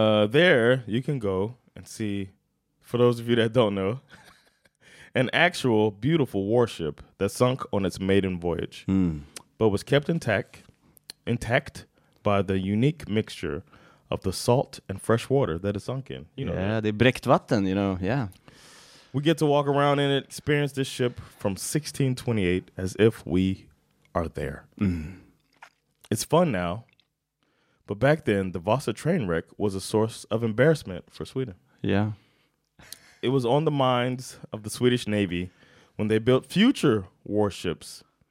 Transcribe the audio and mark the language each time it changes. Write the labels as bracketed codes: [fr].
[en] There you can go and see, for those of you that don't know, an actual beautiful warship that sunk on its maiden voyage, but was kept intact by the unique mixture of the salt and fresh water that it sunk in. You know, [sv] yeah, det är bräckt vatten, [en] you know, yeah. We get to walk around and experience this ship from 1628 as if we are there. Mm. It's fun now, but back then, the Vasa train wreck was a source of embarrassment for Sweden. Yeah. It was on the minds of the Swedish Navy when they built future warships.